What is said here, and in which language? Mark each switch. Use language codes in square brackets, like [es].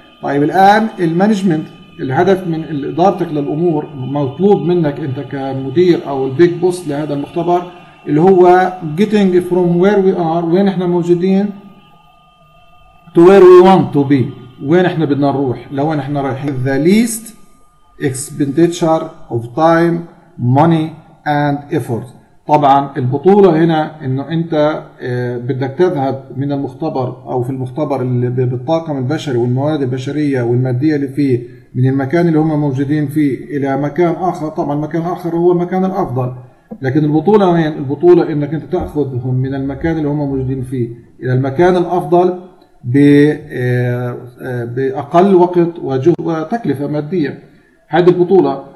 [ar] طيب الآن المانجمنت، الهدف من إدارتك للأمور، مطلوب منك انت كمدير أو البيج بوس لهذا المختبر، اللي هو [en] getting from where we are، [ar] وين احنا موجودين، [en] to where we want to be، [ar] وين احنا بدنا نروح، لوين احنا رايحين. [en] The least expenditure of time, money and effort. [ar] طبعا البطولة هنا انه انت بدك تذهب من المختبر او في المختبر اللي بالطاقم البشري والموارد البشرية والمادية اللي فيه، من المكان اللي هم موجودين فيه الى مكان اخر. طبعا مكان اخر هو المكان الافضل، لكن البطولة وين؟ البطولة انك انت تأخذهم من المكان اللي هم موجودين فيه الى المكان الافضل بأقل وقت وجهد وتكلفة مادية، هذه البطولة.